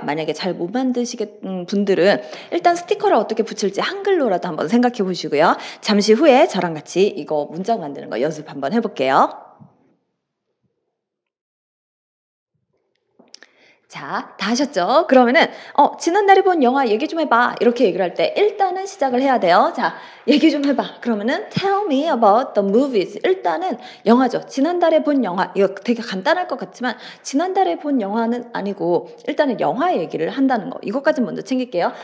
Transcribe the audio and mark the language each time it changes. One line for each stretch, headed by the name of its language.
Korean: 만약에 잘 못 만드시겠는 분들은 일단 스티커를 어떻게 붙일지 한글로라도 한번 생각해 보시고요. 잠시 후에 저랑 같이 이거 문장 만드는 거 연습 한번 해볼게요. 자, 다 하셨죠? 그러면은 지난날에 본 영화 얘기 좀 해봐 이렇게 얘기를 할 때 일단은 시작을 해야 돼요. 자, 얘기 좀 해봐. 그러면은
English: tell me about the movies.
Korean: 일단은 영화죠. 지난달에 본 영화 이거 되게 간단할 것 같지만 지난달에 본 영화는 아니고 일단은 영화 얘기를 한다는 거 이것까지 먼저 챙길게요.